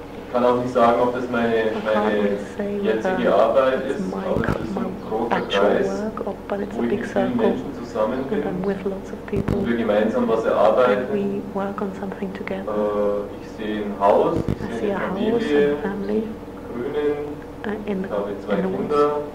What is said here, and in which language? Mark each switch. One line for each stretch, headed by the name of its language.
German: Ich kann auch nicht sagen, ob das meine jetzige Arbeit ist, aber es ist ein großer Kreis,
English: but it's a big circle, and I'm with lots of people, and we work on something together.
German: Ich sehe ein Haus, ich sehe eine Familie, Grünen, ich habe zwei Kinder,